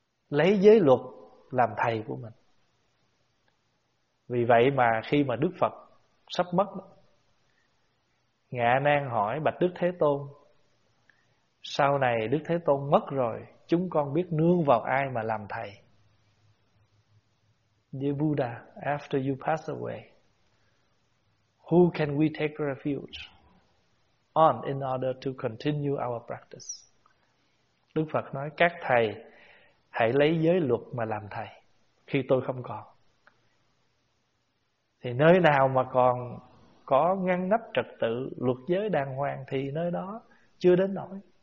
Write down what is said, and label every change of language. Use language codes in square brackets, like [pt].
[vi] Lấy giới luật làm thầy của mình. Vì vậy mà khi mà Đức Phật sắp mất, Ngạ Nan hỏi bạch Đức Thế Tôn: sau này Đức Thế Tôn mất rồi, chúng con biết nương vào ai mà làm thầy? [en] Dear Buddha, after you pass away, who can we take refuge on in order to continue our practice? [vi] Đức Phật nói: các thầy hãy lấy giới luật mà làm thầy khi tôi không còn. Thì nơi nào mà còn có ngăn nắp trật tự luật giới đàng hoàng thì nơi đó chưa đến nỗi.